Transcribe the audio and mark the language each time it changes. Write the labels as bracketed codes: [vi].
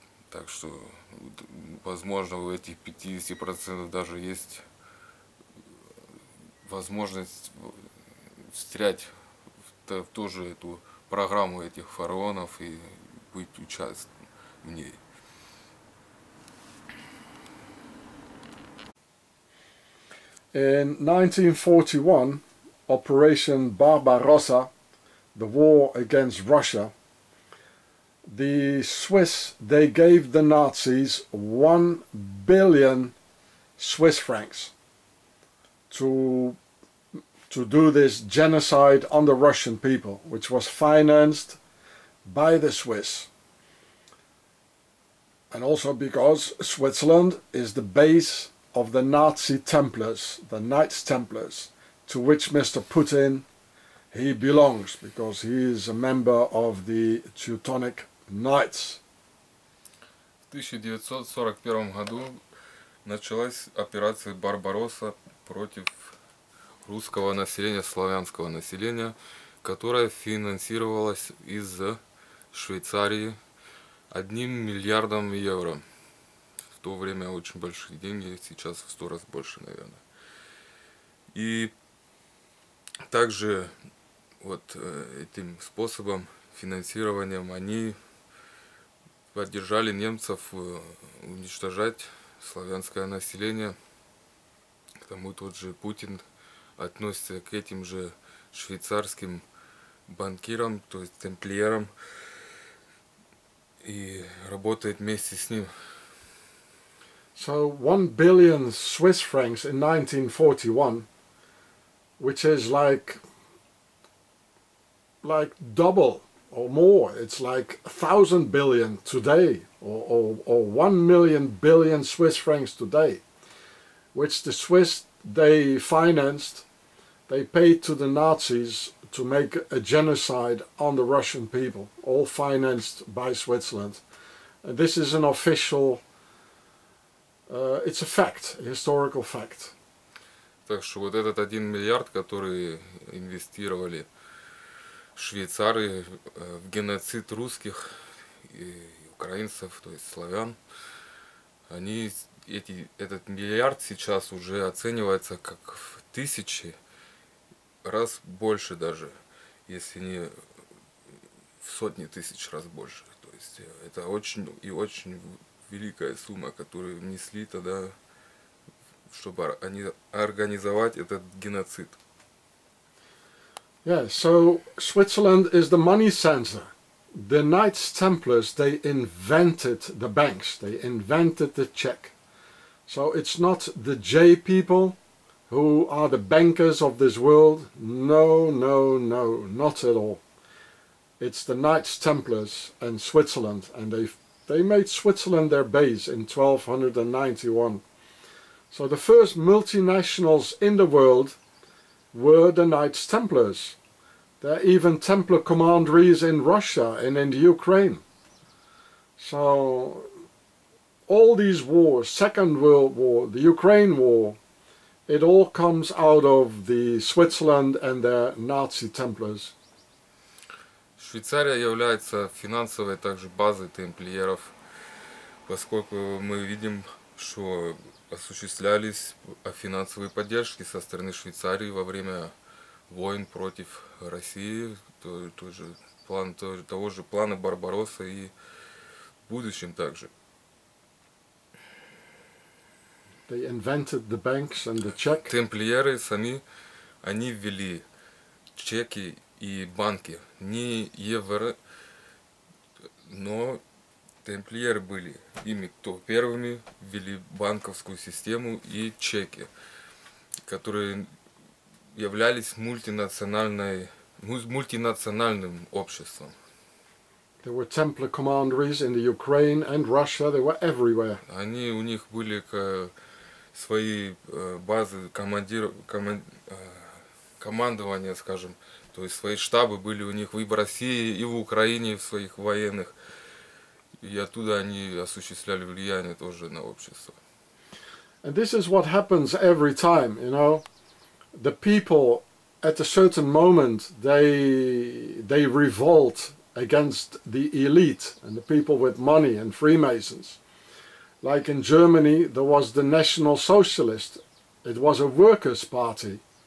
[ru] Так что, возможно, у этих 50% даже есть возможность встрять в ту же эту программу этих фараонов и быть участником в ней. [en] In 1941, Operation Barbarossa, the war against Russia, the Swiss, they gave the Nazis 1 billion Swiss francs to do this genocide on the Russian people, which was financed by the Swiss. And also because Switzerland is the base of the Nazi Templars, the Knights Templars, to which Mr. Putin, he belongs, because he is a member of the Teutonic Knights. [ru] В 1941 году началась операция «Барбаросса» против русского населения, славянского населения, которая финансировалась из Швейцарии 1 миллиард евро. В то время очень большие деньги, сейчас в 100 раз больше, наверное. И также вот этим способом, финансированием, они поддержали немцев уничтожать славянское население. К тому тот же Путин относится к этим же швейцарским банкирам, то есть темплиерам, и работает вместе с ним. [en] So 1 billion Swiss francs in 1941, which is like double or more, it's like 1,000 billion today, or 1 million billion Swiss francs today, which the Swiss, they financed, they paid to the Nazis to make a genocide on the Russian people, all financed by Switzerland. And this is an official, it's a fact, a historical fact. [ru] Так что вот этот 1 миллиард, который инвестировали швейцары в геноцид русских и украинцев, то есть славян, они этот миллиард сейчас уже оценивается как в тысячи раз больше даже, если не в сотни тысяч раз больше. То есть это очень и очень великая сумма, которую внесли тогда, чтобы они организовать этот геноцид. [en] Yeah, so Switzerland is the money center. The Knights Templars, they invented the banks, they invented the check. So it's not the J people who are the bankers of this world. No, no, no, not at all. It's the Knights Templars and Switzerland, and they made Switzerland their base in 1291. So the first multinationals in the world were the Knights Templars. There are even Templar commanderies in Russia and in the Ukraine. So all these wars, Second World War, the Ukraine War, it all comes out of the Switzerland and their Nazi Templars. [ru] Швейцария является финансовой также базой темплиеров, поскольку мы видим, что осуществлялись финансовые поддержки со стороны Швейцарии во время войн против России, того же плана Барбаросса и в будущем также. [en] They invented the banks and the check. [ru] Темплиеры сами, они ввели чеки и банки, не евро, но темплиеры были ими, кто первыми ввели банковскую систему и чеки, которые являлись мультинациональным обществом. [en] There were Templar commanderies in the Ukraine and Russia, they were everywhere. [ru] Они, у них были свои базы командования, скажем, то есть свои штабы были у них и в России, и в Украине, в своих военных, и оттуда они осуществляли влияние тоже на общество. [en] And this is what happens every time, you know. The people at a certain moment they revolt against the elite and the people with money and Freemasons. Like in Germany, there was the National Socialist. It was a workers' party.